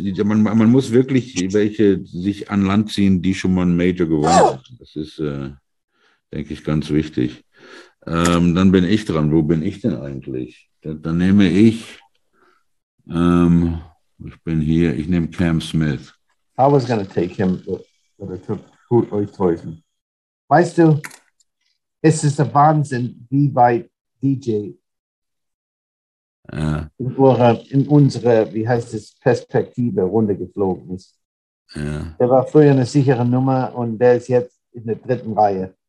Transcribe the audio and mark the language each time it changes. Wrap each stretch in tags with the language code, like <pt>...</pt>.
<de>Man muss wirklich welche sich an Land ziehen, die schon mal ein Major gewonnen haben. Das ist, denke ich, ganz wichtig. Dann bin ich dran. Wo bin ich denn eigentlich? Dann nehme ich, ich bin hier, ich nehme Cam Smith.</de> <en>I was going to take him, but I took Oosthuizen.</en> <de>Weißt du, es ist ein Wahnsinn, wie weit DJ in unsere, wie heißt es, Perspektive runtergeflogen ist. Ja. Der war früher eine sichere Nummer und der ist jetzt in der dritten Reihe.</de>